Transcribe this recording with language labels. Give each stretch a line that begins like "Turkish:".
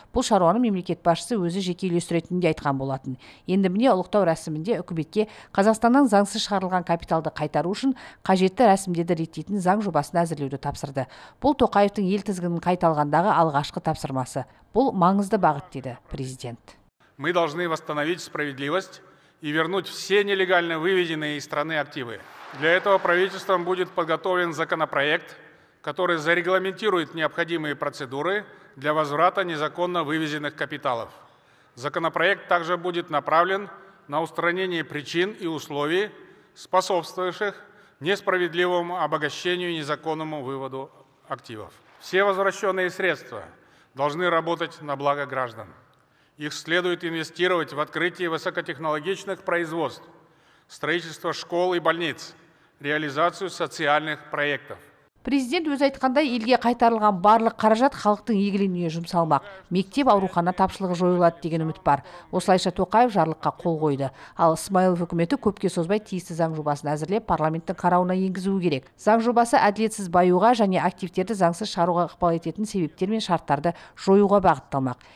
Kazakh: Бұл шаруаны мемлекет басшысы өзі жеке үлестіретінде айтқан болатын. Енді міне ұлықтау рәсімінде үкіметке Қазақстаннан заңсыз шығарылған капиталды қайтару үшін қажетті рәсімдерді реттейтін заң жобасын әзірлеуді тапсырды. Бұл Тоқаевтың ел тізгінін қайталғандағы алғашқы тапсырмасы. Бұл маңызды бағыт, деді президент.
Russian: Мы должны восстановить справедливость и вернуть все нелегально выведенные из страны активы. Для этого правительством будет подготовлен законопроект, который зарегламентирует необходимые процедуры для возврата незаконно вывезенных капиталов. Законопроект также будет направлен на устранение причин и условий, способствующих несправедливому обогащению и незаконному выводу активов. Все возвращенные средства должны работать на благо граждан. Их следует инвестировать в открытие высокотехнологичных производств, строительство школ и больниц, реализацию социальных проектов.
Kazakh: Президент өз айтқандай, елге қайтарылған барлық қаражат халықтың игілігіне жұмсалмақ. Мектеп аурухана тапшылығы жойылады деген үміт бар. Осылайша Тоқаев жарлыққа қол қойды. Ал Смайылов үкіметі көпке созбай тиісті заң жобасын әзірлеп парламенттің қарауына енгізуі керек. Заң жобасы әділетсіз баюға және активтерді заңсыз шығаруға ықпал ететін себептер мен шарттарды жоюға бағытталмақ.